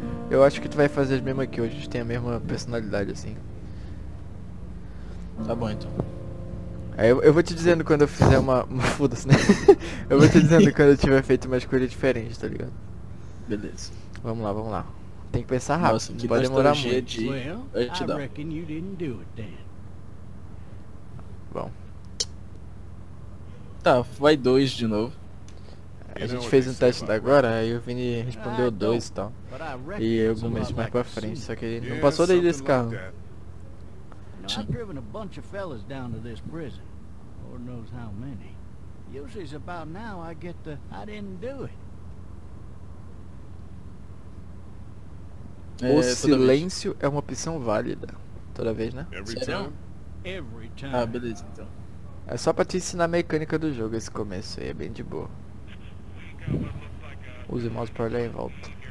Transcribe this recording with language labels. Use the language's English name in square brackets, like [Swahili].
[Portuguese] Eu acho que tu vai fazer as mesmas que eu. A gente tem a mesma personalidade, assim. Tá bom, então. Eu vou te dizendo quando eu fizer uma foda-se, né? Eu vou te dizendo quando eu tiver feito uma escolha diferente, tá ligado? Beleza. Vamos lá, vamos lá. Tem que pensar rápido. Nossa, que pode demorar muito. De... [English] Well, I reckon you didn't do it then. [Portuguese] Bom. Tá, vai dois de novo. A gente fez um teste agora, aí o Vini respondeu dois e tal. E eu comecei mais pra frente, só que ele não passou daí desse carro. [English] I've driven a bunch of fellas down to this prison. Lord knows how many. Usually it's about now I get the I didn't do it. [Portuguese] O silêncio é uma opção válida. Toda vez, né? [English] Every time. [Portuguese] Ah, beleza, então. É só pra te ensinar a mecânica do jogo esse começo aí, é bem de boa. Use o mouse pra olhar em volta.